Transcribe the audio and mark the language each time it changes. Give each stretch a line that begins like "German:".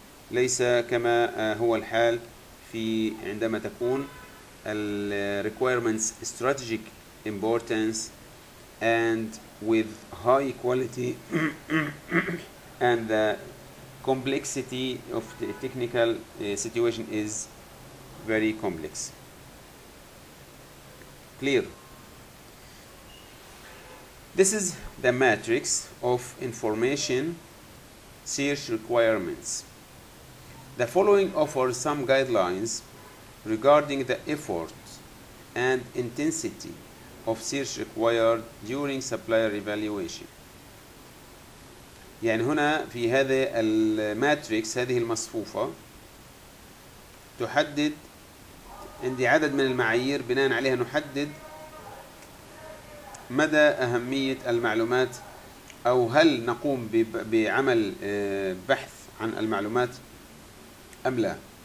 Arabic: ليس كما هو الحال في عندما تكون الـ
English: requirements strategic importance and with high quality and the complexity of the technical situation is very complex. Clear. This is the matrix of information search requirements. The following offers some guidelines regarding the effort and intensity of search required during supplier evaluation.
Arabic: يعني هنا في هذا الماتريكس هذه المصفوفة تحدد، عندي عدد من المعايير بناء عليها نحدد مدى أهمية المعلومات، أو هل نقوم بعمل بحث عن المعلومات أم لا.